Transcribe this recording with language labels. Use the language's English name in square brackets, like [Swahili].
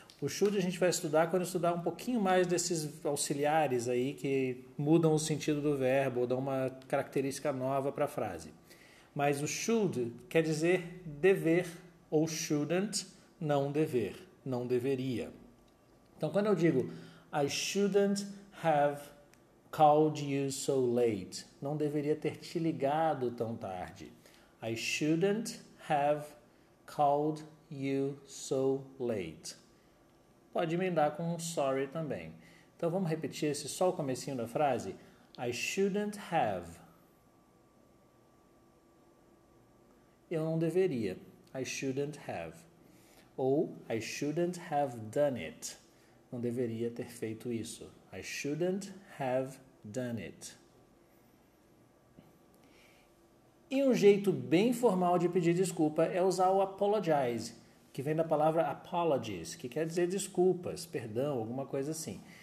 [Portuguese] O should a gente vai estudar quando estudar um pouquinho mais desses auxiliares aí que mudam o sentido do verbo ou dão uma característica nova para a frase. Mas o should quer dizer dever ou shouldn't, não dever, não deveria. Então quando eu digo [English] I shouldn't have called you so late. [Portuguese] Não deveria ter te ligado tão tarde. [English] I shouldn't have called you so late. [Portuguese] Pode emendar com um sorry também. Então vamos repetir esse só o comecinho da frase. [English] I shouldn't have. [Portuguese] Eu não deveria. [English] I shouldn't have. Ou I shouldn't have done it. [Portuguese] Não deveria ter feito isso. [English] I shouldn't have done it. [Portuguese] E um jeito bem formal de pedir desculpa é usar o apologize, que vem da palavra apologies, que quer dizer desculpas, perdão, alguma coisa assim.